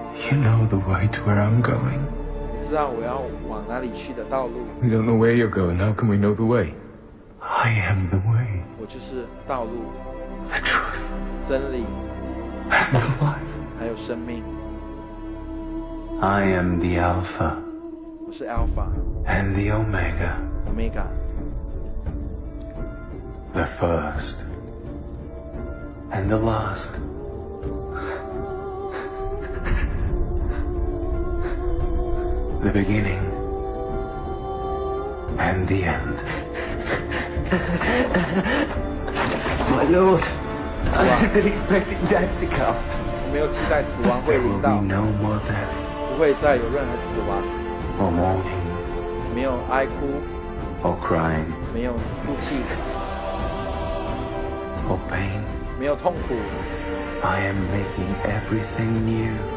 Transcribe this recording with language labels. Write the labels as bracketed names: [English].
[English] You know the way to where I'm going. [Chinese] 你知道我要往哪里去的道路。 [English] We don't know where you're going. How can we know the way? I am the way. [Chinese] 我就是道路。 [English] The truth. [Chinese] 真理。 [English] And the life. [Chinese] 还有生命。 [English] I am the Alpha. [Chinese] 我是 Alpha. [English] And the Omega. Omega. The first. And the last. The beginning. And the end. My Lord, I have been expecting death to come. [Chinese] 我没有期待死亡会临到。 [English] There will be no more death. [Chinese] 不会再有任何死亡。 [English] Or mourning, [Chinese] 没有哀哭。 [English] Or crying, [Chinese] 没有哭泣。 [English] Or pain, [Chinese] 没有痛苦。 [English] I am making everything new.